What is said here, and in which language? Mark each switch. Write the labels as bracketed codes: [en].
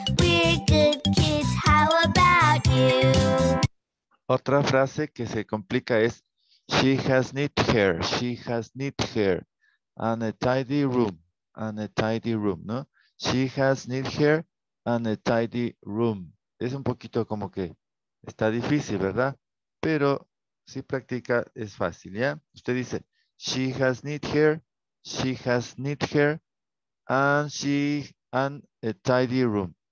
[en] We're good kids, how about you? Otra frase que se complica es she has neat hair, she has neat hair and a tidy room, and a tidy room, ¿no? She has neat hair and a tidy room. [es] Es un poquito como que está difícil, ¿verdad? Pero si practica es fácil, ¿ya? [en] Usted dice she has neat hair, she has neat hair and she and a tidy room.